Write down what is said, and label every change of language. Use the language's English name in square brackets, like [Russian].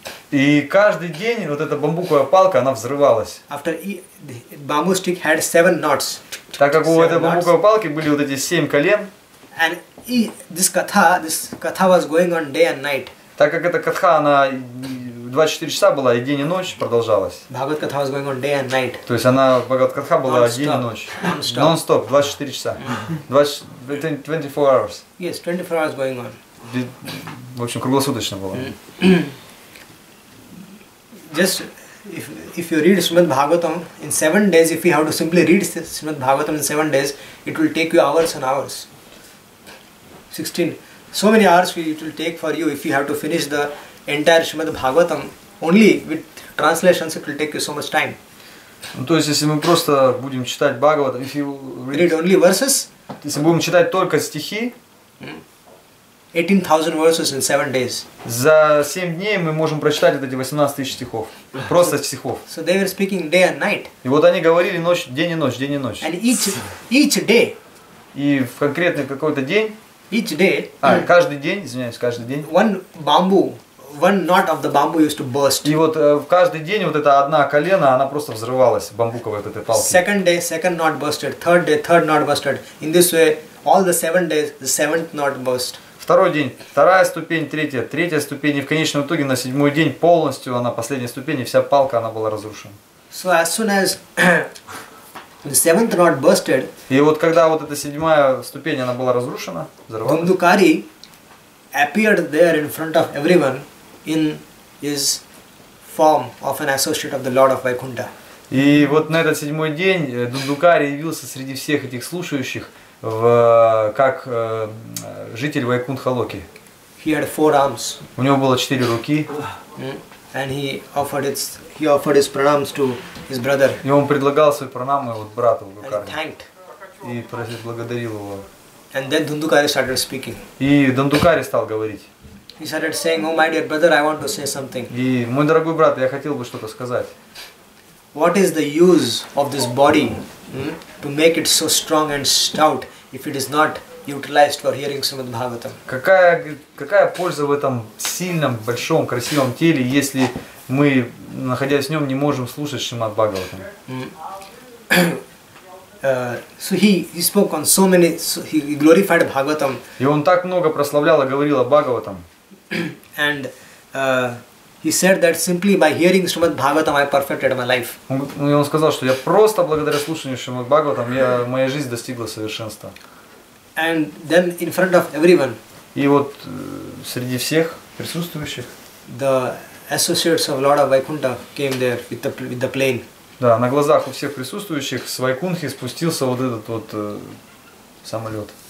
[Russian] И каждый день вот эта бамбуковая палка, она взрывалась. [English] After bamboo stick had 7 knots. [Russian] Так как у этой бамбуковой палки были вот эти 7 колен. [English] And this katha was going on day and night. [Russian] Так как эта катха, она 24 часа была, и день и ночь продолжалась. [English] Bhagavad katha was going on day and night. [Russian] То есть она Bhagavad katha была день и ночь. [English] Non-stop, [Russian] 24 часа. [English] 24 hours. Yes, 24 hours going on. [Russian] В общем, круглосуточно было. [English] Just if you read Srimad Bhagavatam in 7 days, if you have to simply read Srimad Bhagavatam in 7 days, it will take you hours and hours. 16. So many hours it will take for you if you have to finish the entire Srimad Bhagavatam. Only with translations it will take you so much time. [Russian] Ну, то есть, если мы просто будем читать Бхагаватам, [English] if you read only verses, [Russian] если будем читать только стихи, [English] 18,000 verses in 7 days. [Russian] За 7 дней мы можем прочитать вот эти 18 тысяч стихов. Просто стихов. [English] So they were speaking day and night. [Russian] И вот они говорили ночь, день и ночь, день и ночь. [English] And each day. [Russian] И в конкретный какой-то день. [English] Each day. [Russian] Каждый день, извиняюсь, каждый день. [English] One bamboo, one knot of the bamboo used to burst. [Russian] И вот в каждый день вот эта одна колено, она просто взрывалась бамбуковой вот этой палкой. [English] Second day, second knot bursted. Third day, third knot bursted. In this way, all the 7 days, the 7th knot burst. [Russian] Второй день, вторая ступень, третья ступень, и в конечном итоге на 7-й день полностью она последняя ступень, и вся палка она была разрушена. [English] So as soon as the seventh knot busted. [Russian] И вот когда вот эта седьмая ступень она была разрушена, взорвана. [English] Дундукари appeared there in front of everyone in his form of an associate of the Lord of Vaikuntha. [Russian] И вот на этот седьмой день Дундукари явился среди всех этих слушающих как житель Вайкунтхалоки. [English] He had 4 arms. [Russian] У него было 4 руки. [English] And he offered his pranams to his brother. [Russian] И он предлагал свои пранамы вот брату Гокарне. [English] And thanked. [Russian] И просил благодарил его. [English] And then Дундукари started speaking. [Russian] И Дундукари стал говорить. [English] He started saying, "Oh, my dear brother, I want to say something." [Russian] И мой дорогой брат, я хотел бы что-то сказать. [English] What is the use of this body to make it so strong and stout if it is not utilized for hearing Srimad Bhagavatam? [Russian] Какая польза в этом сильном, большом, красивом теле, если мы, находясь в нем, не можем слушать Шримад Бхагаватам? [English] So he spoke on so many, so he glorified Bhagavatam. [Russian] И он так много прославлял и говорил о Бхагаватам. [English] And he said that simply by hearing Srimad Bhagavatam I perfected my life. [Russian] И он сказал, что я просто благодаря слушанию Шримад Бхагаватам моя жизнь достигла совершенства. [English] And then in front of everyone. [Russian] И вот среди всех присутствующих. [English] The associates of Lord of Vaikuntha came there with the plane. [Russian] Да, на глазах у всех присутствующих с Вайкунхи спустился вот этот вот самолет.